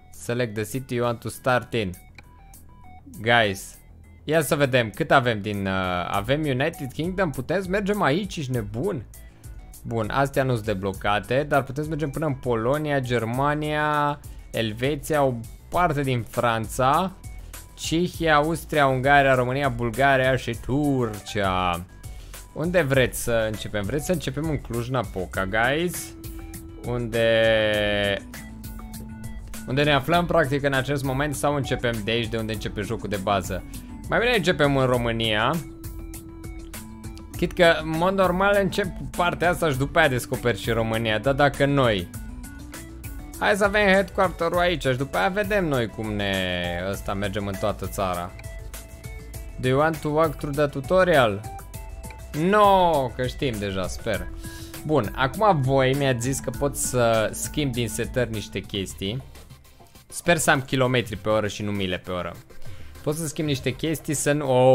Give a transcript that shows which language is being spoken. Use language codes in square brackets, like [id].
[en] Select the city you want to start in. [ro] Guys, ia să vedem cât avem din... avem United Kingdom, putem să mergem aici, ești nebun? Bun, astea nu sunt deblocate, dar putem să mergem până în Polonia, Germania, Elveția, o parte din Franța, Cehia, Austria, Ungaria, România, Bulgaria și Turcia. Unde vreți să începem? Vreți să începem în Cluj-Napoca, guys? Unde ne aflăm practic în acest moment sau începem de aici, de unde începe jocul de bază? Mai bine începem în România. Chit că în mod normal încep partea asta și după aia descoperi și România, dar dacă noi... Hai să avem headquarter-ul aici și după aia vedem noi cum ne... ăsta mergem în toată țara. [en] Do you want to walk through the tutorial? [ro] No, că știm deja, sper. Bun, acum voi mi-ați zis că pot să schimb din setări niște chestii. Sper să am kilometri pe oră și nu mile pe oră. Pot să schimb niște chestii să nu...